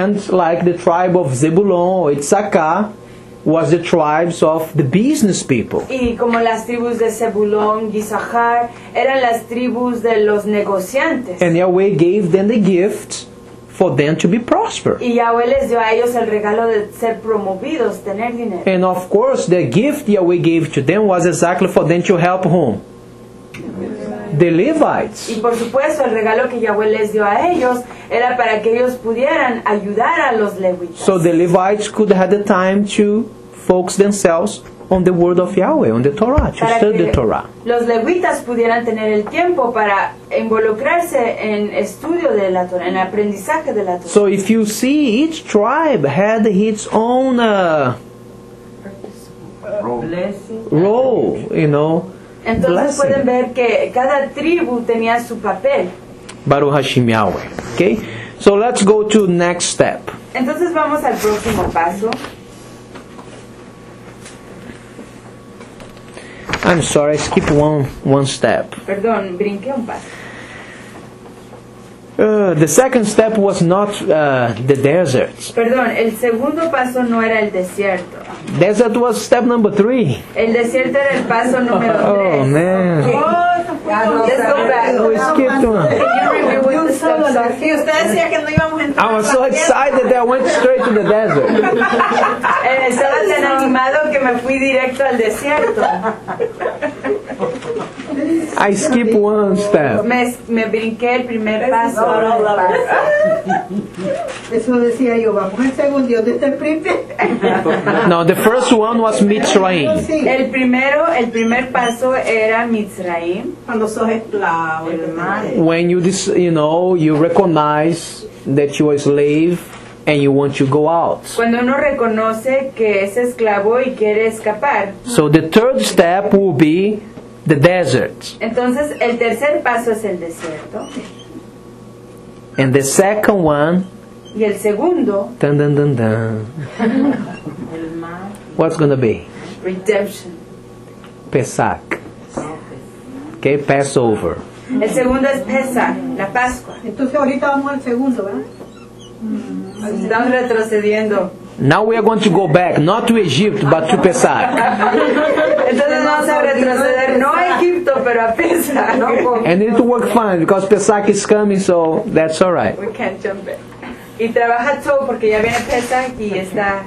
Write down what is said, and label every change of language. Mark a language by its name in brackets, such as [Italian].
[English] And like the tribe of Zebulun or Issachar, was the tribes of the business people. [Spanish] Y como las tribus de Zebulón, Issachar, eran las tribus de los negociantes. [English] And Yahweh gave them the gift for them to be prosperous. [Spanish] Y Yahweh les dio a ellos el regalo de ser promovidos, tener dinero. [English] And of course, the gift Yahweh gave to them was exactly for them to help whom? The Levites. [Spanish] Y por supuesto, el regalo que Yahweh les dio a ellos era para que ellos pudieran ayudar a los Levitas. [English] So the Levites could have the time to focus themselves on the word of Yahweh, on the Torah, to study the Torah. [Spanish] Los Levitas pudieran tener el tiempo para involucrarse en estudio de la Torah, en aprendizaje de la Torah. [English] So if you see, each tribe had its own role, you know. [Spanish] Entonces [English] blessing. [Spanish] Pueden ver que cada tribu tenía su papel. [Hebrew] Baruch Hashem Yahweh. [English] Okay? So let's go to next step. [Spanish] Entonces vamos al próximo paso. [English] I'm sorry, I skipped one step. [Spanish] Perdón, brinqué un paso. [English] The second step was not the desert. [Spanish] Perdón, el segundo paso no era el desierto. [English] Desert was step number 3. [Spanish] El desierto era el paso número 3. [English] Oh, man. Okay. Oh, let's go back. Oh, we skipped one. I was so excited that I went straight to the desert. [Spanish] Estaba tan animado que me fui directo al desierto. [English] I skipped one step. [Spanish] Me brinqué el primer paso. Eso decía yo, vamos el segundo, yo desde el primer. [English] No, the first one was Mitzrayim. [Spanish] El primer paso era Mitzrayim. Cuando sos esclavo. [English] When you recognize that you are a slave and you want to go out. [Spanish] Cuando uno reconoce que es esclavo y quiere escapar. [English] So the third step will be the desert. [Spanish] Entonces, el tercer paso es el desierto. [English] And the second one. [Spanish] Y el segundo. [English] Dun, dun, dun, dun. What's going to be? Redemption. Pesach. Okay, Passover. [Spanish] El segundo es Pesach, la Pascua. Entonces, ahorita vamos al segundo, ¿verdad? Sí. Estamos retrocediendo. [English] Now we are going to go back, not to Egypt, but to Pesach. [Spanish] Entonces, vamos a retroceder. no Egipto, pero Pesach. No, [English] and it worked fine because Pesach is coming, so that's all right. We can't jump it. [Spanish] Y trabaja todo porque ya viene Pesach y está